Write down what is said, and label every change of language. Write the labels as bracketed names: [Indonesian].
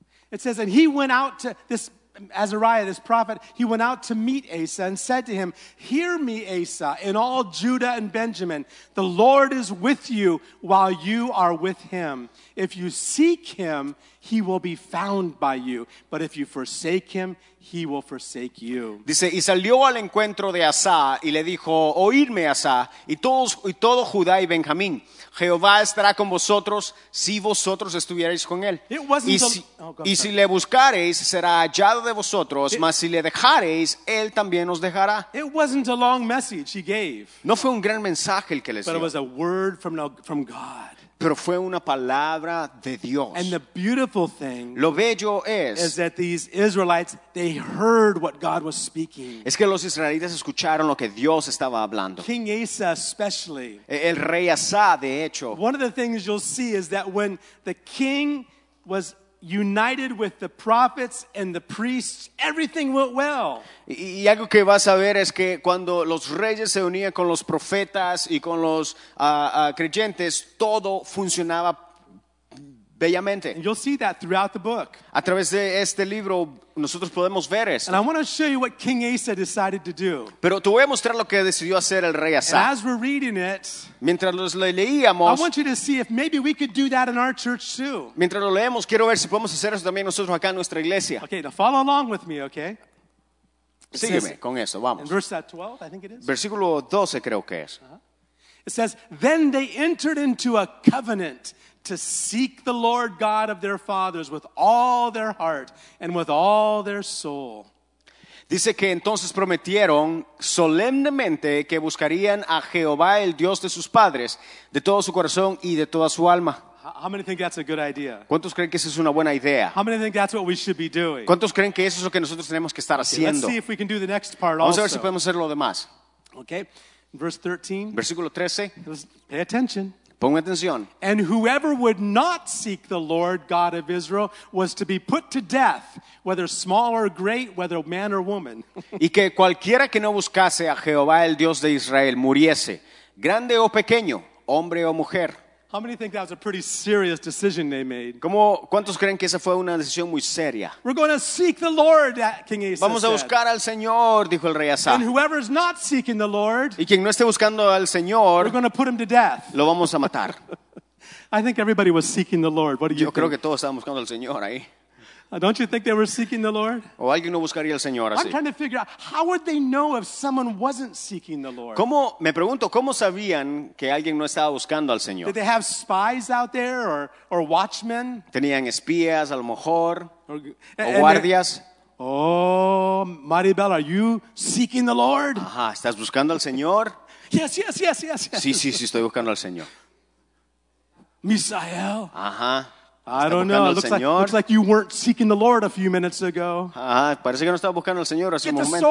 [English] It says, and he went out to this Azariah, this prophet, he went out to meet Asa and said to him, "Hear me, Asa, and all Judah and Benjamin. The Lord is with you while you are with him. If you seek him, he will be found by you. But if you forsake him, he will forsake you." [Spanish] Dice, y salió al encuentro de Asa y le dijo, "Oídme, Asa, y todo Judá y Benjamín. Jehová estará con vosotros si vosotros estuvierais con él. Si le buscareis, será hallado de vosotros, mas si le dejareis, él también os dejará." [English] It wasn't a long message he gave. [Spanish] No fue un gran mensaje el que les [English] but [Spanish] dio. [English] It was a word from God. [Spanish] Pero fue una palabra de Dios. [English] And the beautiful thing, [Spanish] lo bello es, [English] is that these Israelites, they heard what God was speaking. [Spanish] Es que los israelitas escucharon lo que Dios estaba hablando. [English] King Asa especially. [Spanish] El rey Asa, de hecho. [English] One of the things you'll see is that when the king was united with the prophets and the priests, everything went well. [Spanish] Y algo que vas a ver es que cuando los reyes se unían con los profetas y con los creyentes, todo funcionaba bellamente. [English] And you'll see that throughout the book. [Spanish] A través de este libro, nosotros podemos ver eso. [English] And I want to show you what King Asa decided to do. [Spanish] Pero te voy a mostrar lo que decidió hacer el rey Asa. [English] And as we're reading it, [Spanish] mientras los leíamos, [English] I want you to see if maybe we could do that in our church too. [Spanish] Mientras lo leemos, quiero ver si podemos hacer eso también nosotros acá en nuestra iglesia. [English] Okay, now follow along with me, okay? [Spanish] Sígueme con eso, vamos. [English] In verse 12, I think it is. [Spanish] Versículo 12 creo que es. [English] It says, "Then they entered into a covenant to seek the Lord God of their fathers with all their heart and with all their soul." [Spanish] Dice que entonces prometieron solemnemente que buscarían a Jehová, el Dios de sus padres, de todo su corazón y de toda su alma. [English] How many think that's a good idea? [Spanish] ¿Cuántos creen que eso es una buena idea? [English] How many think that's what we should be doing? [Spanish] ¿Cuántos creen que eso es lo que nosotros tenemos que estar haciendo? [English] Okay, let's see if we can do the next part. [Spanish] Vamos [English] also [Spanish] a ver si podemos hacer lo demás. [English] Okay, verse 13. [Spanish] Versículo 13. [English] Pay attention. [Spanish] Ponga atención. [English] "And whoever would not seek the Lord God of Israel was to be put to death, whether small or great, whether man or woman." [Spanish] Y que cualquiera que no buscase a Jehová el Dios de Israel muriese, grande o pequeño, hombre o mujer. [English] How many think that was a pretty serious decision they made? [Spanish] ¿Cómo, cuántos creen que esa fue una decisión muy seria? [English] "We're going to seek the Lord," King Asa said. [Spanish] Vamos a buscar al Señor, dijo el rey Asa. [English] "And whoever is not seeking the Lord," [Spanish] y quien no esté buscando al Señor, [English] "we're going to put him to death." [Spanish] Lo vamos a matar. [English] I think everybody was seeking the Lord. What do you [Spanish] think? Yo creo que todos estaban buscando al Señor ahí. [English] Don't you think they were seeking the Lord? [Spanish] O alguien no buscaría al Señor así. [English] I'm trying to figure out, how would they know if someone wasn't seeking the Lord? [Spanish] ¿Cómo, me pregunto, cómo sabían que alguien no estaba buscando al Señor? [English] Did they have spies out there or watchmen? [Spanish] ¿Tenían espías, a lo mejor, o guardias? [English] Oh, Maribel, are you seeking the Lord? [Spanish] Ajá, ¿estás buscando al Señor? [English] Yes, yes, yes, yes, yes. [Spanish] Sí, sí, sí, estoy buscando al Señor. Misael. Ajá. [English] I don't know. Looks like you weren't seeking the Lord a few minutes ago. [Spanish] Parece que no estaba buscando al Señor hace un momento.